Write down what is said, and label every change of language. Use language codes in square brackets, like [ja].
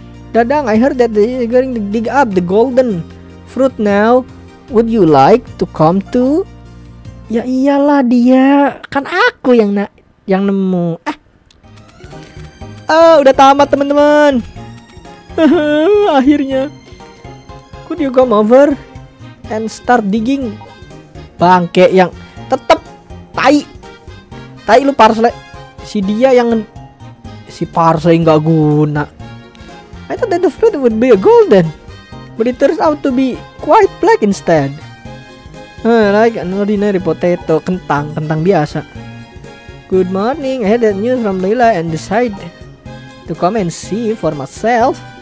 [en] Dadang, I heard that they're going to dig up the golden fruit now. Would you like to come to? [id] Ya iyalah dia, kan aku yang nemu. Ah, udah tamat teman-teman. Akhirnya. Could you come over and start digging? Bangke yang tetep tai. Tai lu parsley. Si dia yang si parsley enggak guna. [en] I thought that the fruit would be a golden, but it turns out to be quite black instead. Like an ordinary potato, [id] kentang biasa. [en] Good morning. I had that news from Lila and decide to come and see for myself.